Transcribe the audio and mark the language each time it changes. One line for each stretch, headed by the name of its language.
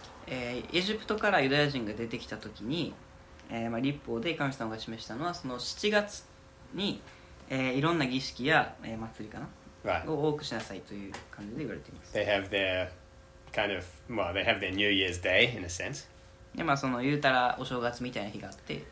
Japanese: エジプトからユダヤ人が出てきた時に、まあ、立法で神様が示したのはその7月に、いろんな儀式や、祭りかな
English: Right.
Japanese: を多くしなさいという感じで言われています。
English: They have their kind of, well, they have their New Year's Day in a sense.
Japanese: で、まあその言うたらお正月みたいな日があって。